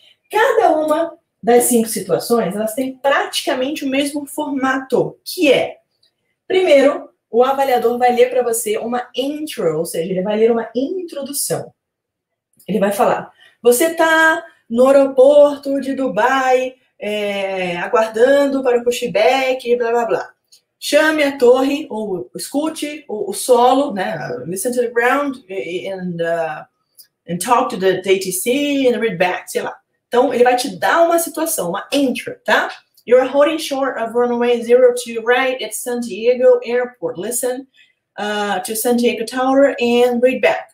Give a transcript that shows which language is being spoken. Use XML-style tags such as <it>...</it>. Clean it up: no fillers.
<pt>Cada uma das 5 situações, elas têm praticamente o mesmo formato, que é, primeiro, o avaliador vai ler para você uma intro, ou seja, ele vai ler uma introdução. Ele vai falar, você está no aeroporto de Dubai, aguardando para o pushback, blá, blá, blá. Chame a torre, ou escute o solo, né?</pt> <en>Listen to the ground and talk to the ATC and read back,</en> <pt>sei lá. Então, ele vai te dar uma situação, uma intro, tá?</pt> <en>You're holding short of runway 02 right at San Diego Airport. Listen to San Diego Tower and read back.</en>